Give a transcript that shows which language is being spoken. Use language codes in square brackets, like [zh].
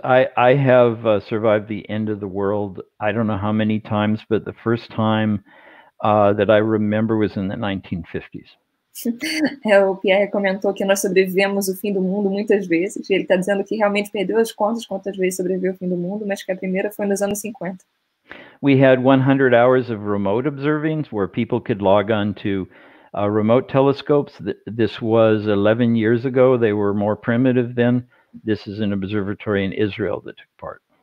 [en] I have survived the end of the world, I don't know how many times, but the first time that I remember was in the 1950s. [pt] O Pierre comentou que nós sobrevivemos o fim do mundo muitas vezes. Ele está dizendo que realmente perdeu as contas quantas vezes sobreviveu o fim do mundo, mas que a primeira foi nos anos 50. [en] We had 100 hours of remote observing, where people could log on to remote telescopes. This was 11 years ago. They were more primitive then. This is an observatory in Israel that took part.